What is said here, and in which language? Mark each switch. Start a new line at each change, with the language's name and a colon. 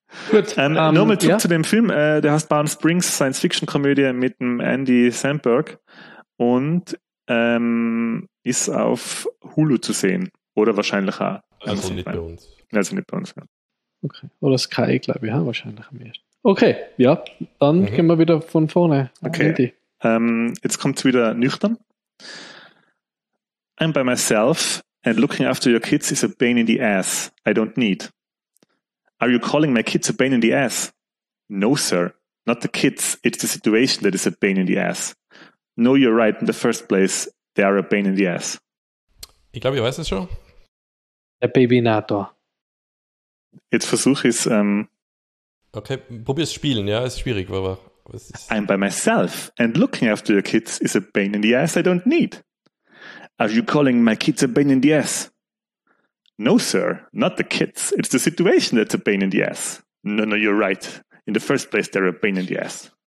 German: Gut, nochmal zurück zu dem Film, der heißt Palm Springs, Science-Fiction-Komödie mit dem Andy Samberg und ist auf Hulu zu sehen oder wahrscheinlich auch. Also nicht bei uns. Ja. Okay. Oder Sky, glaube ich, wahrscheinlich am ehesten. Okay, ja, dann gehen wir wieder von vorne. Okay, Andy. Jetzt kommt es wieder nüchtern.
English: I'm by myself and looking after your kids is a pain in the ass. I don't need. Are you calling my kids a pain in the ass? No, sir. Not the kids. It's the situation that is a pain in the ass. No, you're right in the first place. they are a pain in the ass.
German: Ich glaube, ihr weißt es schon. Der Babynator. Jetzt versuche ich es. Okay, probier es spielen, ja, ist schwierig, aber.
English: I'm by myself, and looking after your kids is a pain in the ass I don't need. Are you calling my kids a pain in the ass? No, sir, not the kids. It's the situation that's a pain in the ass. No, no, you're right. In the first place, they're a pain in the ass.